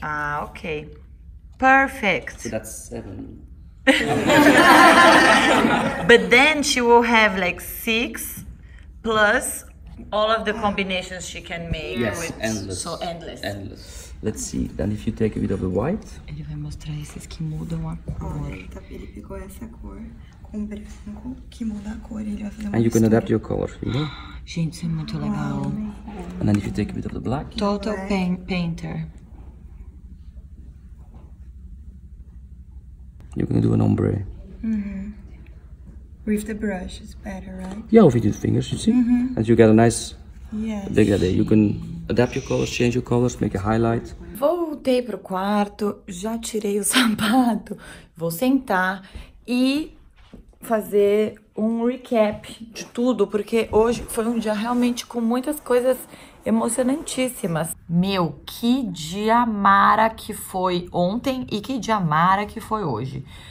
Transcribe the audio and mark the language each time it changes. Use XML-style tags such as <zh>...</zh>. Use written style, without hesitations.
<en>Ah, okay. Perfect. So that's seven. But then she will have like six plus all of the combinations she can make. Yes, with endless. So endless. Endless. Let's see. Then if you take a bit of the white.</en> <pt>Ele vai mostrar esses que mudam a cor. Olha, ele pegou essa cor com branco que muda a cor. Ele vai fazer.</pt> <en>And you can adapt your color. Yeah?</en> <pt>Gente, isso é muito legal.</pt> <en>And then if you take a bit of the black. Total paint, painter. You're gonna do an ombre. Mm-hmm. With the brush, it's better, right? Yeah, with your fingers, you see? Mm-hmm. And you get a nice degradê. You can adapt your colors, change your colors, make a highlight.</en> <pt>Voltei pro quarto, já tirei o sapato. Vou sentar e fazer um recap de tudo, porque hoje foi um dia realmente com muitas coisas emocionantíssimas. Meu, que dia mara que foi ontem e que dia mara que foi hoje.</pt>